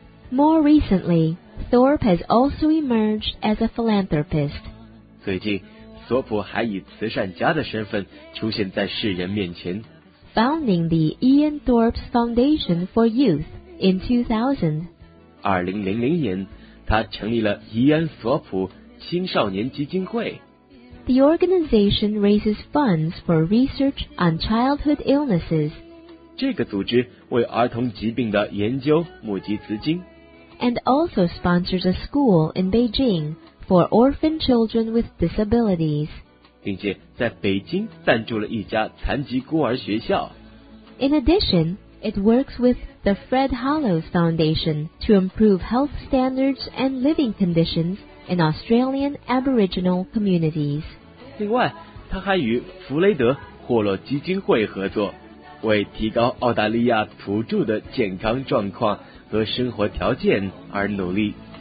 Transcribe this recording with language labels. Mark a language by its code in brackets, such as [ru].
[en] More recently, Thorpe has also emerged as a philanthropist. [zh] 最近，索普还以慈善家的身份出现在世人面前。 [en] Founding the Ian Thorpe Foundation for Youth in 2000. [zh] 2000年，他成立了伊恩·索普青少年基金会。 [en] The organization raises funds for research on childhood illnesses. [zh] 这个组织为儿童疾病的研究募集资金。 [en] And also sponsors a school in Beijing for orphan children with disabilities. [zh] 并且在北京赞助了一家残疾孤儿学校。 [en] In addition, it works with the Fred Hollows Foundation to improve health standards and living conditions in Australian Aboriginal communities. [zh] 另外，他还与弗雷德·霍洛基金会合作，为提高澳大利亚土著的健康状况和生活条件而努力。